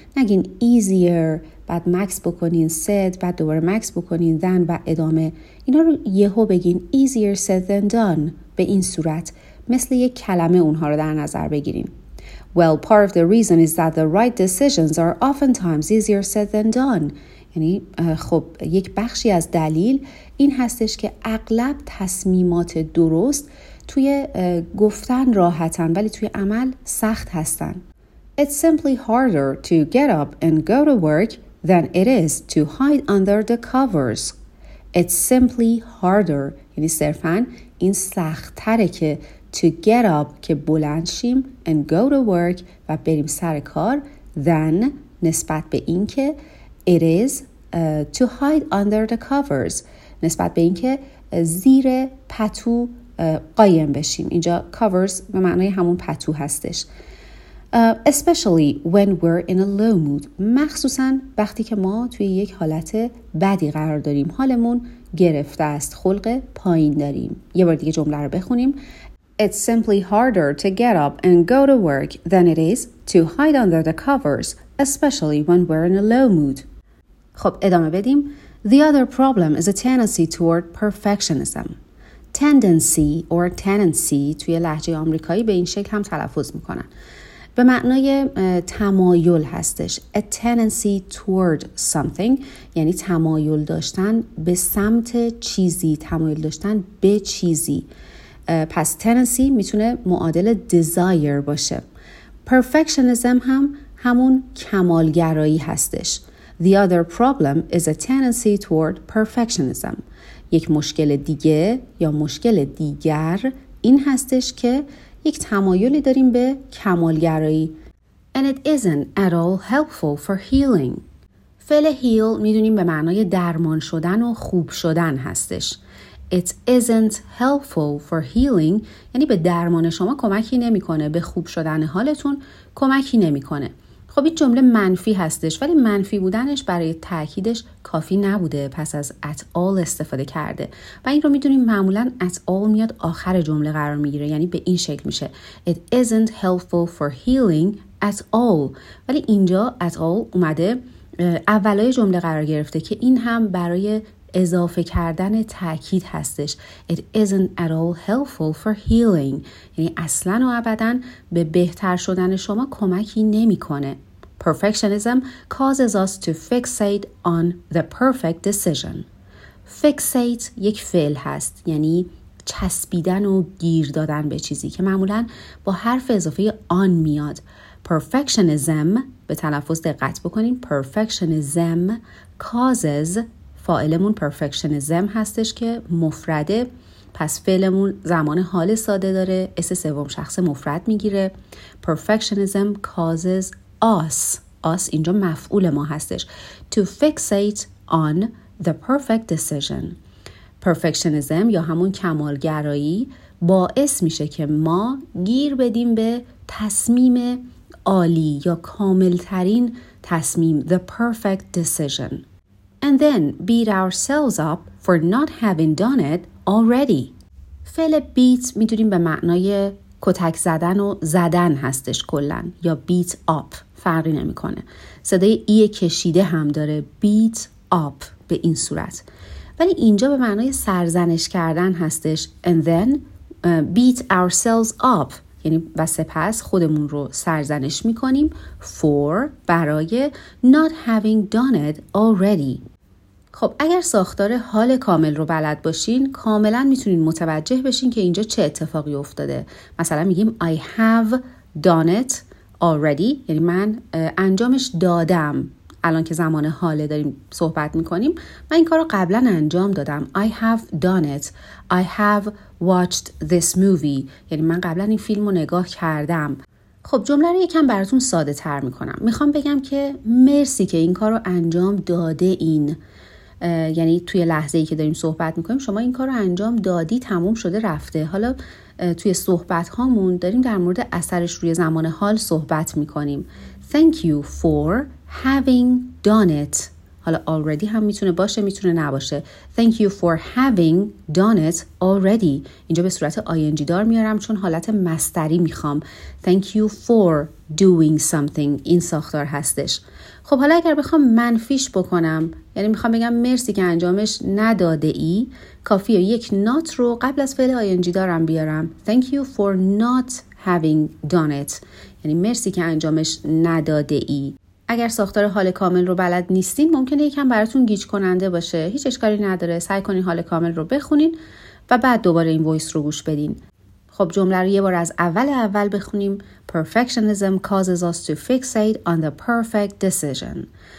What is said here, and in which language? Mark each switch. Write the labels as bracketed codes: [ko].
[fa] نگین easier، بعد مکس بکنین said، بعد دوباره مکس بکنین then و ادامه. اینا رو یهو بگین [en] easier said than done، [fa] به این صورت مثل یک کلمه اونها رو در نظر بگیرین. [en] Well, part of the reason is that the right decisions are oftentimes easier said than done. [fa] یعنی خب یک بخشی از دلیل این هستش که اغلب تصمیمات درست توی گفتن راحتن ولی توی عمل سخت هستن. [en] It's simply harder to get up and go to work than it is to hide under the covers. It's simply harder. [fa] یعنی صرفاً این سخت تره که [en] to get up [fa] که بلند شیم [en] and go to work [fa] و بریم سر کار than نسبت به این که [en] It is to hide under the covers. [fa] نسبت به اینکه زیر پتو قایم بشیم. اینجا covers به معنای همون پتو هستش. [en] Especially when we're in a low mood. [fa] مخصوصا وقتی که ما توی یک حالت بدی قرار داریم. حالمون گرفته است. خلق پایین داریم. یه بار دیگه جمله رو بخونیم. [en] It's simply harder to get up and go to work than it is to hide under the covers. Especially when we're in a low mood. [fa] خب ادامه بدیم. [en] The other problem is a tendency toward perfectionism. Tendency or tenancy [fa] توی لهجه آمریکایی به این شکل هم تلفظ میکنن. به معنای تمایل هستش. [en] A tendency toward something [fa] یعنی تمایل داشتن به سمت چیزی، تمایل داشتن به چیزی. پس tendency میتونه معادل desire باشه. Perfectionism هم همون کمالگرایی هستش. [en] The other problem is a tendency toward perfectionism. [fa] یک مشکل دیگه یا مشکل دیگر این هستش که یک تمایلی داریم به کمالگرایی. [en] And it isn't at all helpful for healing. [fa] فعل heal میدونیم به معنای درمان شدن و خوب شدن هستش. [en] It isn't helpful for healing [fa] یعنی به درمان شما کمکی نمی کنه، به خوب شدن حالتون کمکی نمی کنه. خب این جمله منفی هستش، ولی منفی بودنش برای تأکیدش کافی نبوده، پس از at all استفاده کرده. و این رو میدونیم معمولاً at all میاد آخر جمله قرار میگیره، یعنی به این شکل میشه [en] It isn't helpful for healing at all. [fa] ولی اینجا at all اومده اولای جمله قرار گرفته که این هم برای اضافه کردن تأکید هستش. [en] It isn't at all helpful for healing. [fa] یعنی اصلا و ابدا به بهتر شدن شما کمکی نمی کنه. [en] Perfectionism causes us to fixate on the perfect decision. [fa] Fixate یک فعل هست، یعنی چسبیدن و گیر دادن به چیزی، که معمولا با حرف اضافه آن میاد. Perfectionism، به تلفظ دقت بکنین، [en] perfectionism causes، [fa] فاعلمون perfectionism هستش که مفرده، پس فعلمون زمان حال ساده داره، اس سوم شخص مفرد میگیره. [en] Perfectionism causes us، us [fa] اینجا مفعول ما هستش، [en] to fixate on the perfect decision. [fa] Perfectionism یا همون کمالگرایی باعث میشه که ما گیر بدیم به تصمیم عالی یا کاملترین تصمیم، [en] the perfect decision. And then beat ourselves up for not having done it already. [fa] فعل beat میتونیم به معنای کتک زدن و زدن هستش کلن، یا beat up، فرقی نمی کنه. صدای ای کشیده هم داره، beat up به این صورت. ولی اینجا به معنای سرزنش کردن هستش، [en] and then beat ourselves up، [fa] یعنی و سپس خودمون رو سرزنش میکنیم for، برای [en] not having done it already. [fa] خب اگر ساختار حال کامل رو بلد باشین، کاملا میتونین متوجه بشین که اینجا چه اتفاقی افتاده. مثلا میگیم [en] I have done it already، [fa] یعنی من انجامش دادم. الان که زمان حاله داریم صحبت میکنیم، من این کار رو قبلا انجام دادم. [en] I have done it. I have watched this movie. [fa] یعنی من قبلا این فیلم رو نگاه کردم. خب جمله رو یکم براتون ساده تر میکنم. میخوام بگم که مرسی که این کار رو انجام داده این. یعنی توی لحظه ای که داریم صحبت میکنیم، شما این کار رو انجام دادی، تموم شده، رفته. حالا توی صحبت هامون داریم در مورد اثرش روی زمان حال صحبت میکنیم. [en] Thank you for having done it. [fa] حالا already هم میتونه باشه، میتونه نباشه. [en] Thank you for having done it already. [fa] اینجا به صورت ing دار میارم چون حالت مصدری میخوام. [en] Thank you for doing something. [fa] این ساختار هستش. خب حالا اگر بخوام منفیش بکنم، یعنی میخوام بگم مرسی که انجامش نداده ای، کافیه یک not رو قبل از فعل ing دارم بیارم. [en] Thank you for not having done it. [fa] یعنی مرسی که انجامش نداده ای. اگر ساختار حال کامل رو بلد نیستین، ممکنه یکم براتون گیج کننده باشه. هیچ اشکالی نداره. سعی کنین حال کامل رو بخونین و بعد دوباره این وایس رو گوش بدین. خب جمله رو یه بار از اول بخونیم. [en] Perfectionism causes us to fixate on the perfect decision.